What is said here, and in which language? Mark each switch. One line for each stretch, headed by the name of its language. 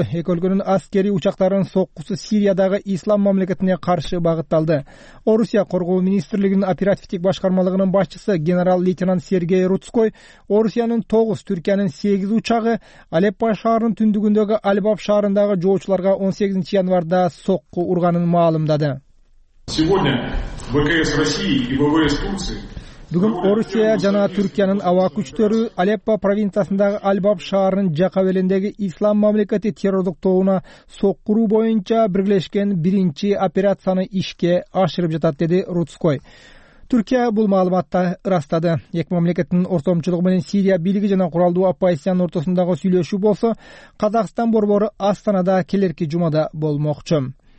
Kyrgyz: Эки өлкөнүн аскерий учактарынын соккусу Сириядагы ислам мамлекетине каршы багытталды. Орусия коргоо министрлигинин оперативдик башкармалыгынын башчысы генерал-лейтенант Сергей Рудской Орусиянын 9, Түркиянын 8 учагы Алеппо шаарынын түндүгүндөгү Альбаб шаарындагы жоочуларга 18-январда сокку урганын маалымдады.
Russian: Сегодня ВКС России и ВВС Турции.
Kyrgyz: Бүгүн Орусия жана Түркиянын аба күчтөрү Алеппо провинциясындагы Альбаб шаарынын жака белиндеги ислам мамлекети террордук тобуна соккуруу боюнча биргелешкен биринчи операцияны ишке ашырып жатат, деди Рудской. Түркия бул маалыматты ырастады. Эки мамлекеттин ортомчулугу менен Сирия бийлиги жана куралдуу оппозициянын ортосундагы сүйлөшүү болсо, Казакстан борбору Астанада келерки жумада болмокчу.